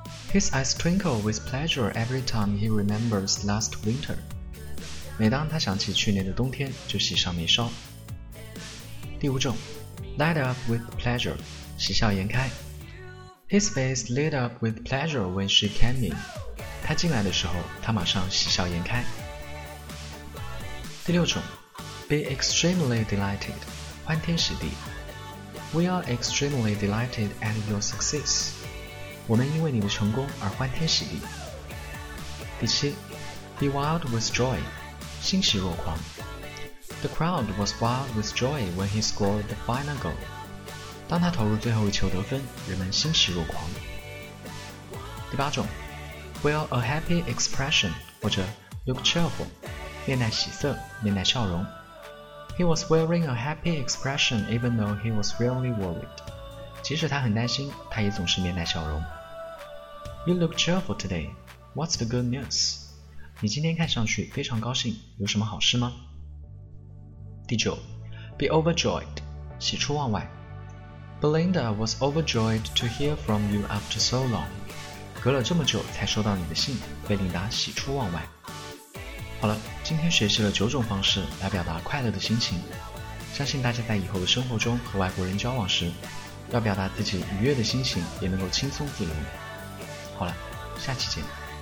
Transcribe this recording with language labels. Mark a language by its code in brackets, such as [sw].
[en] His eyes twinkle with pleasure every time he remembers last winter, [zh] 每当他想起去年的冬天就喜上眉梢。第五种， [en] Light up with pleasure, [zh] 喜笑颜开。 [en] His face lit up with pleasure when she came in. [zh] 她进来的时候，她马上喜笑颜开。第六种， [en] Be extremely delighted, [zh] 欢天喜地。 [en] We are extremely delighted at your success. [zh] 我们因为你的成功而欢天喜地。第七， [en] Be wild with joy, [zh] 欣喜若狂。 [en] The crowd was wild with joy when he scored the final goal. [zh] 当他投入最后一球得分，人们欣喜若狂。第八种， [en] Wear a happy expression, [zh] 或者 [en] look cheerful, [zh] 面带喜色，面带笑容。 [en] He was wearing a happy expression even though he was really worried. [zh] 即使他很担心，他也总是面带笑容。 [en] You look cheerful today. What's the good news? [zh] 你今天看上去非常高兴，有什么好事吗？第九， [en] Be overjoyed, [zh] 喜出望外。 [en] Belinda was overjoyed to hear from you after so long. [zh] 隔了这么久才收到你的信，贝琳达喜出望外。好了，今天学习了九种方式来表达快乐的心情。相信大家在以后的生活中和外国人交往时，要表达自己愉悦的心情也能够轻松自如。好了，下期见。